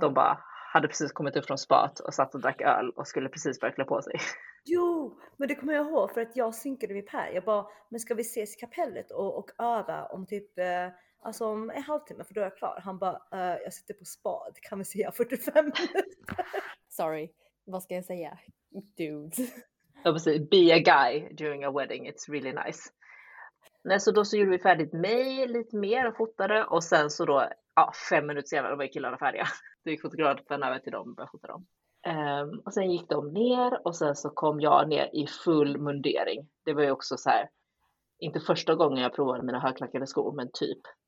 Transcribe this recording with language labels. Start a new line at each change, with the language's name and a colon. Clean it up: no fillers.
Swedish: De bara, hade precis kommit upp från spat och satt och drack öl och skulle precis börja klä på sig. Jo, men det kommer jag ihåg för att jag synkade med Per. Jag bara, men ska vi ses i kapellet och öva om typ... Alltså om en halvtimme, för då är jag klar. Han bara, jag sitter på spad, kan vi säga 45 minuter? Sorry, vad ska jag säga? Dude.
English: Obviously, be a guy during a wedding, it's really nice.
Swedish: Nej, så då så gjorde vi färdigt mig lite mer och fotade. Och sen så då, 5 minuter senare, då var killarna färdiga. Då gick fotografen över till dem och började fota dem. Och sen gick de ner och sen så kom jag ner i full mundering. Det var ju också så här, inte första gången jag provade mina högklackade skor, men typ.